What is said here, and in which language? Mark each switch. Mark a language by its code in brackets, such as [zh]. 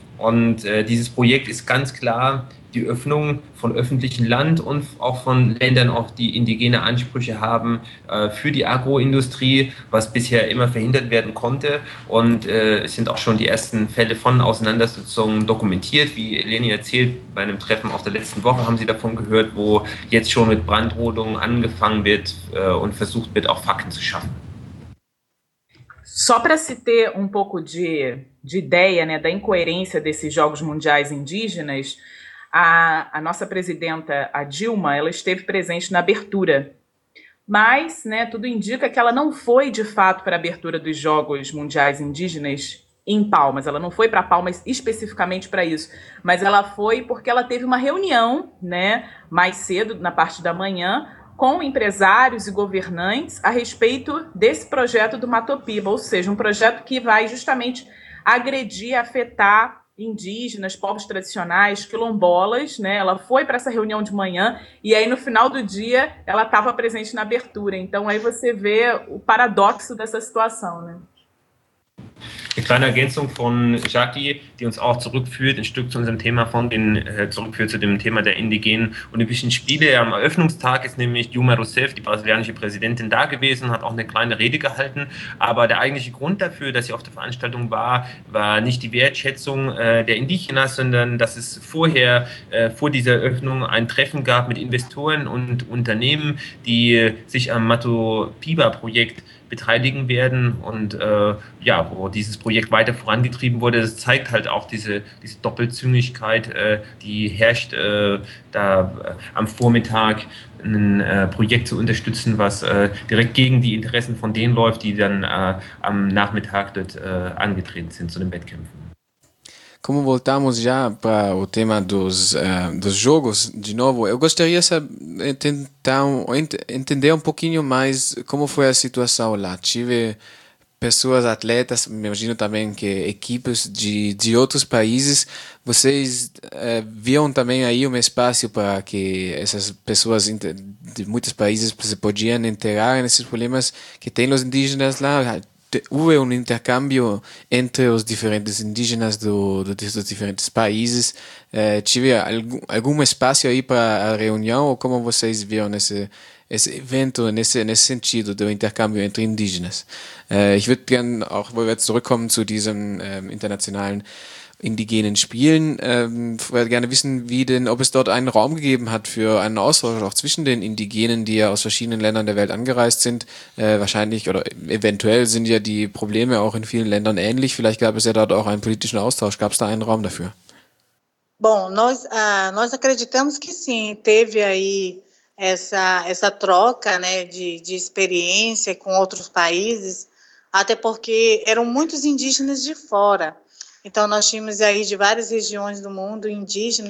[de] Und dieses Projekt ist ganz klar die Öffnung von öffentlichem Land und auch von Ländern, auch die indigene Ansprüche haben für die Agroindustrie, was bisher immer verhindert werden konnte. Und es sind auch schon die ersten Fälle von Auseinandersetzungen dokumentiert. Wie Eleni erzählt, bei einem Treffen auf der letzten Woche haben Sie davon gehört, wo jetzt schon mit Brandrodungen angefangen wird und versucht wird, auch Fakten zu schaffen. [pt] Só para se ter um pouco de ideia, né, da incoerência desses Jogos Mundiais Indígenas, a nossa presidenta, a Dilma, ela esteve presente na abertura. Mas, né, tudo indica que ela não foi, de fato, para a abertura dos Jogos Mundiais Indígenas em Palmas. Ela não foi para Palmas especificamente para isso. Mas ela foi porque ela teve uma reunião, né, mais cedo, na parte da manhã, com empresários e governantes a respeito desse projeto do Matopiba, ou seja, um projeto que vai justamente agredir, afetar indígenas, povos tradicionais, quilombolas, né? Ela foi para essa reunião de manhã e aí no final do dia ela estava presente na abertura. Então aí você vê o paradoxo dessa situação, né? [de] Eine kleine Ergänzung von Jackie, die uns auch zurückführt, ein Stück zu unserem Thema von den zurückführt zu dem Thema der indigenen Olympischen Spiele. Am Eröffnungstag ist nämlich Dilma Rousseff, die brasilianische Präsidentin, da gewesen, hat auch eine kleine Rede gehalten. Aber der eigentliche Grund dafür, dass sie auf der Veranstaltung war, war nicht die Wertschätzung der Indigenas, sondern dass es vorher, vor dieser Eröffnung, ein Treffen gab mit Investoren und Unternehmen, die sich am Matopiba-Projekt beteiligen werden und ja, wo dieses Projekt weiter vorangetrieben wurde. Das zeigt halt auch diese Doppelzüngigkeit, die herrscht, da am Vormittag ein Projekt zu unterstützen, was direkt gegen die Interessen von denen läuft, die dann am Nachmittag dort angetreten sind zu den Wettkämpfen. [pt] Como voltamos já para o tema dos jogos, de novo, eu gostaria de entender um pouquinho mais como foi a situação lá. Tive pessoas, atletas, imagino também que equipes de outros países. Vocês viam também aí um espaço para que essas pessoas de muitos países se podiam integrar nesses problemas que têm os indígenas lá? Houve um intercâmbio entre os diferentes indígenas dos diferentes países? Tive algum espaço aí para a reunião? Ou como vocês viram esse evento, nesse sentido do intercâmbio entre indígenas? [de] Ich würde gerne auch, wo wir jetzt zurückkommen zu diesem internationalen indigenen Spielen, würde gerne wissen, ob es dort einen Raum gegeben hat für einen Austausch auch zwischen den Indigenen, die ja aus verschiedenen Ländern der Welt angereist sind. Wahrscheinlich oder eventuell sind ja die Probleme auch in vielen Ländern ähnlich. Vielleicht gab es ja dort auch einen politischen Austausch. Gab es da einen Raum dafür? [pt] Bom, nós acreditamos que sim, teve aí essa troca, né, de experiência com outros países, até porque eram muitos indígenas de fora. Então, nós tínhamos aí de várias regiões do mundo indígena.